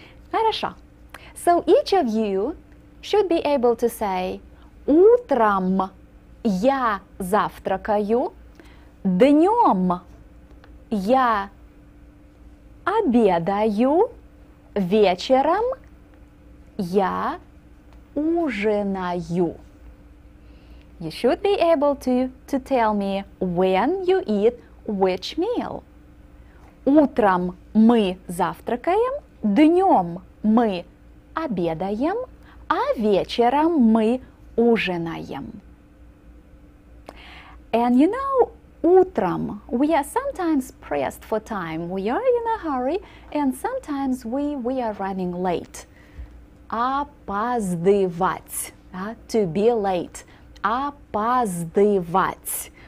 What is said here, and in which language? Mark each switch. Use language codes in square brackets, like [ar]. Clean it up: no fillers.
[ru] Хорошо. [en] So each of you should be able to say, [ru] утром я завтракаю, днём я обедаю, вечером я ужинаю. [en] You should be able to tell me when you eat which meal. [ru] Утром мы завтракаем, днём мы обедаем, а вечером мы ужинаем. [en] And you know, утром, we are sometimes pressed for time. We are in a hurry, and sometimes we are running late. [ru] Опаздывать. Да? [en] To be late. [ru] Опаздывать.